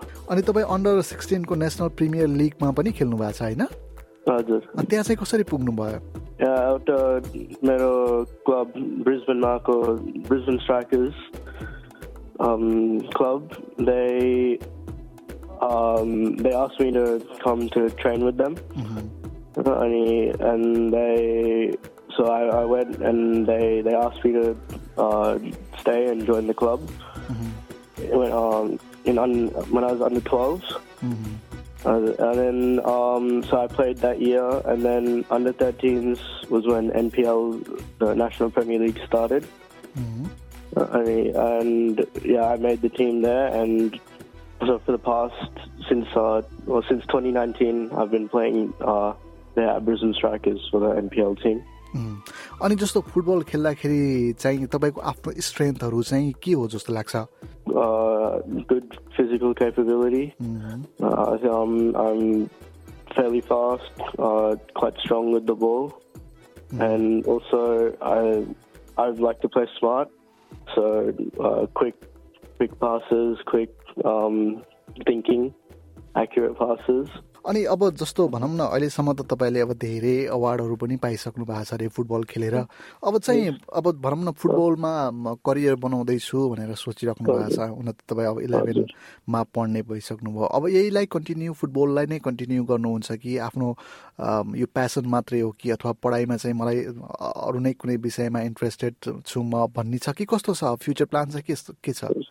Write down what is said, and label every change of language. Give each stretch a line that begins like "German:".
Nepali: अनि तपाईँ under 16 national premier लिगमा पनि खेल्नु भएको छ होइन? हजुर। त्यहाँ चाहिँ कसरी पुग्नु भयो? एउटा मेरो क्लब ब्रिजबेनमा आएको Brisbane strikers club, दे
English: they asked me to come to train with them. Mm-hmm. And they, so I went and they asked me to stay and join the club. Mm-hmm. When I was under 12s. Mm-hmm. And then, so I played that year, and then under 13s was when NPL, the National Premier League, started. Mm-hmm. I made the team there, and so for the past, since 2019, I've been playing there at Brisbane Strikers for the NPL team.
Nepali: अनि जस्तो football खेल्दाखेरि चाहिँ तपाईँको आफ्नो स्ट्रेन्थहरू चाहिँ के हो जस्तो लाग्छ?
English: Good physical capability. I'm fairly fast, quite strong with the ball. And also I'd like to play smart. So quick passes, quick thinking, accurate passes.
Nepali: अनि अब जस्तो भनौँ न, अहिलेसम्म त तपाईँले अब धेरै अवार्डहरू पनि पाइसक्नु भएको छ अरे फुटबल खेलेर. अब चाहिँ अब भनौँ न, फुटबलमा करियर बनाउँदैछु भनेर सोचिराख्नु भएको छ, हुन त तपाईँ अब इलेभेनमा पढ्ने भइसक्नु भयो, अब यहीलाई कन्टिन्यू, फुटबललाई नै कन्टिन्यू गर्नुहुन्छ कि आफ्नो यो प्यासन मात्रै हो कि, अथवा पढाइमा चाहिँ मलाई अरू नै कुनै विषयमा इन्ट्रेस्टेड छु म भन्ने छ कि, कस्तो छ फ्युचर प्लान छ के छ?